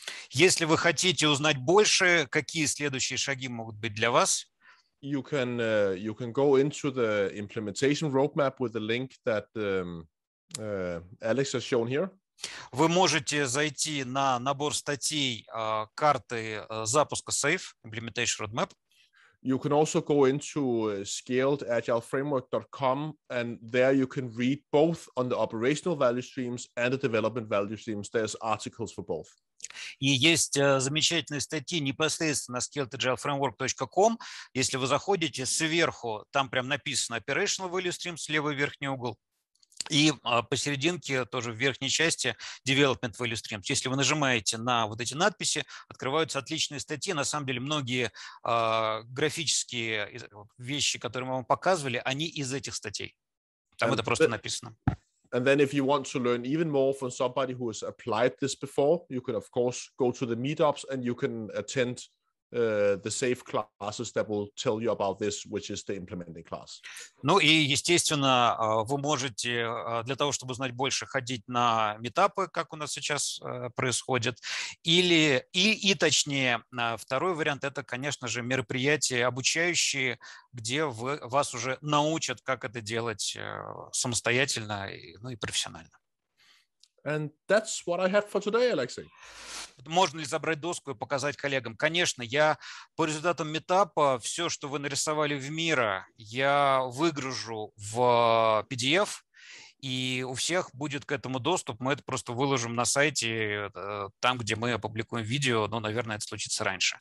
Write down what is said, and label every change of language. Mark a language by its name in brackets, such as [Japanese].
[Russian] Если вы хотите узнать больше, какие следующие шаги могут быть для вас? [English] You can go into the implementation roadmap with the link that Alex has shown here. [Russian] Вы можете зайти на набор статей карты запуска SAFE, implementation roadmap. [English] You can also go into scaledagileframework.com, and there you can read both on the operational value streams and the development value streams. There's articles for both. [Russian] И есть замечательные статьи непосредственно на scaledagileframework.com. Если вы заходите сверху, там прям написано Operational Value Streams, левый верхний угол. И посерединке, тоже в верхней части, Development Value Streams. Если вы нажимаете на вот эти надписи, открываются отличные статьи. На самом деле многие графические вещи, которые мы вам показывали, они из этих статей. Там это просто написано. [English] And then if you want to learn even more from somebody who has applied this before, you can, of course, go to the meetups and you can attend the SAFE classes that will tell you about this, which is the implementing class. [Russian] Ну и, естественно, вы можете для того, чтобы узнать больше, ходить на митапы, как у нас сейчас происходит. Точнее, второй вариант – это, конечно же, мероприятия обучающие, где вас уже научат, как это делать самостоятельно, ну и профессионально. [English] And that's what I have for today, Alexey. [Russian] Можно ли забрать доску и показать коллегам? Конечно, я по результатам митапа все, что вы нарисовали в Мира, я выгружу в PDF, и у всех будет к этому доступ. Мы это просто выложим на сайте, там, где мы опубликуем видео, но, наверное, это случится раньше.